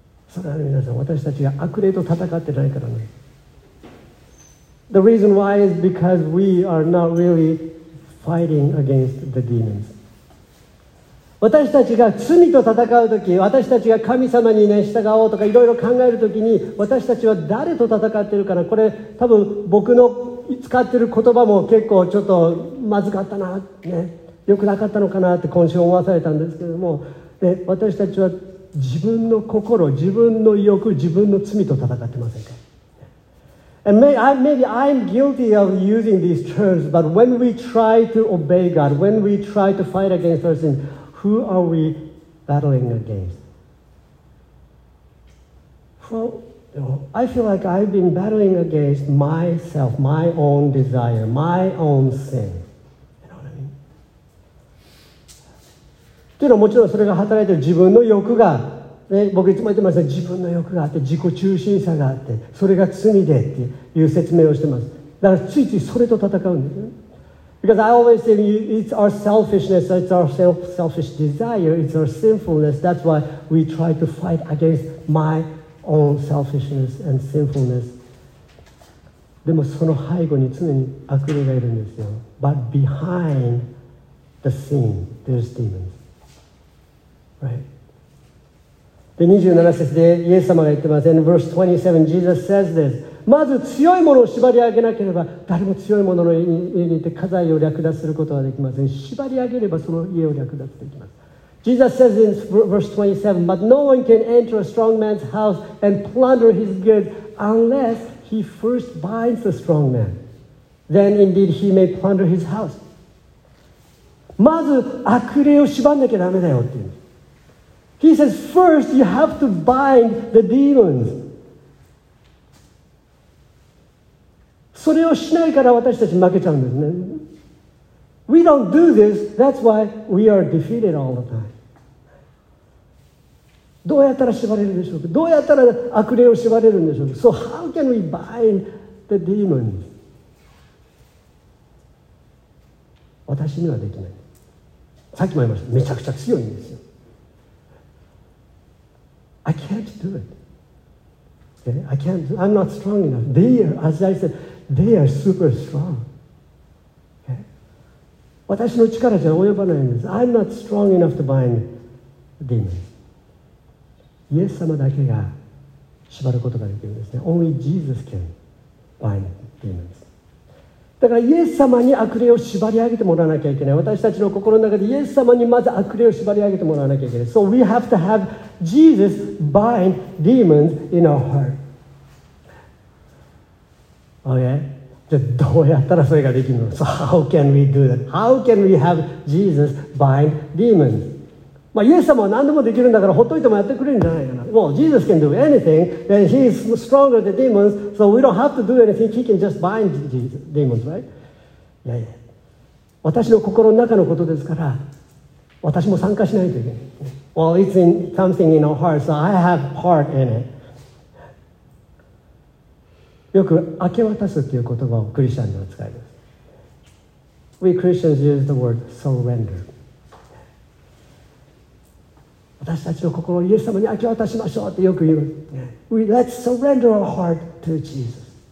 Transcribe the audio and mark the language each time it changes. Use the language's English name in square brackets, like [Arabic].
[Japanese] それは皆さん、私たちが悪霊と戦ってないからね。 [English] The reason why is because we are not really fighting against the demons. [Japanese] 私たちが罪と戦うとき、私たちが神様に、ね、従おうとかいろいろ考えるときに、私たちは誰と戦ってるかな。これ多分僕の使ってる言葉も結構ちょっとまずかったな、ね、良くなかったのかなって今週思わされたんですけども、で私たちは自分の心、自分の欲、自分の罪と戦ってませんか。 [English] And maybe I'm guilty of using these terms, but when we try to obey God, when we try to fight against our sin, who are we battling against? Well, I feel like I've been battling against myself, my own desire, my own sin. [Japanese] というのはもちろんそれが働いている自分の欲が、ね、僕いつも言ってますが自分の欲があって自己中心さがあってそれが罪でっていう説明をしてます。だからついついそれと戦うんです。 [English] Because I always say it's our selfishness, it's our selfish desire, it's our sinfulness. That's why we try to fight against my own selfishness and sinfulness. [Japanese] でもその背後に常に悪霊がいるんですよ。 [English] But behind the scene there's demons. [Japanese] Right. で27節でイエス様が言ってます。 [English] And verse 27 Jesus says this: [Japanese] まず強いものを縛り上げなければ誰も強いものの家に行って家財を略奪することはできません。縛り上げればその家を略奪できます。 [English] Jesus says in verse 27: But no one can enter a strong man's house and plunder his goods unless he first binds the strong man. Then indeed he may plunder his house. [Japanese] まず悪霊を縛らなきゃダメだよっていう。 [English] He says, first you have to bind the demons. [Japanese] それをしないから私たち負けちゃうんですね。 [English] We don't do this, that's why we are defeated all the time. [Japanese] どうやったら縛れるでしょうか。どうやったら悪霊を縛れるんでしょうか。 [English] So how can we bind the demons? [Japanese] 私にはできない。さっきも言いました、めちゃくちゃ強いんですよ。 [English] I can't do it. Okay? I can't. I'm not strong enough. They are, as I said, they are super strong. Okay? [Japanese] 私の力じゃ及ばないんです。 [English] I'm not strong enough to bind demons. [Japanese] イエス様だけが縛ることができるんですね。 [English] Only Jesus can bind demons. [Japanese] だからイエス様に悪霊を縛り上げてもらわなきゃいけない。私たちの心の中でイエス様にまず悪霊を縛り上げてもらわなきゃいけない。 [English] So we have to have Jesus bind demons in our heart. Okay? [Japanese] じゃあどうやったらそれができるの? [English] So how can we do that? How can we have Jesus bind demons? [Japanese] まあ、イエス様は何でもできるんだからほっといてもやってくれるんじゃないかな。 [English] Well, Jesus can do anything, and he is stronger than demons, so we don't have to do anything. He can just bind demons, right? [Japanese] いやいや。私の心の中のことですから、私も参加しないといけない。 [English] Well, it's in something in our heart, so I have part in it. [Japanese] よく、明け渡すっていう言葉をクリスチャンでは使います。 [English] We Christians use the word surrender. [Japanese] 私たちの心をイエス様に明け渡しましょうってよく言う。 [English] We let's surrender our heart to Jesus.